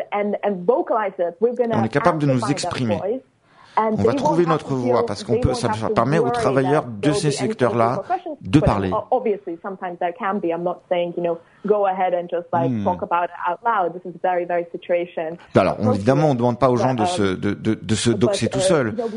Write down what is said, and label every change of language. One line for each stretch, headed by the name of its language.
French: On est capable de nous exprimer. On va trouver notre voie parce qu'on peut, ça permet aux travailleurs de ces secteurs-là de parler.
English: Obviously, sometimes there can be. I'm not saying, you know, go ahead and just like talk about it out loud. This is a very, very situation.
French: Alors, évidemment, on ne demande pas aux gens de se doxer tout seul.